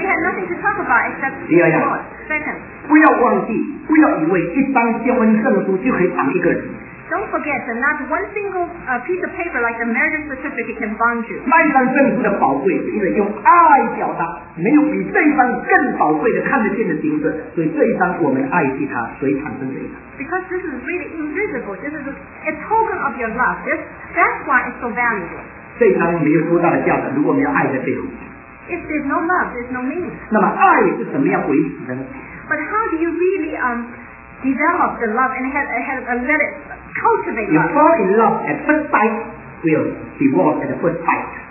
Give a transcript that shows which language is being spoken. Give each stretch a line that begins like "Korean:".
English: they have nothing to talk about except divorce. Second.
Chinese: 不要忘记，不要以为一张结婚证书就可以绑一个人。
English: Don't forget that not one single piece of paper like a marriage certificate can bond you.
Chinese: 那一张证书的宝贵，因为用爱表达，没有比这一张更宝贵的看得见的金子，所以这一张我们爱惜它，所以产生这一张。
English: Because this is really invisible. This is a token of your love. That's why it's so valuable.
Chinese: 这张没有多大的价值，如果没有爱在背后。
English: If there's no love, there's no meaning.
Chinese: 那么爱是怎么样维持的呢？
English: But how do you really develop the love and have let it cultivate? You fall in love at first sight, will divorce at the first sight.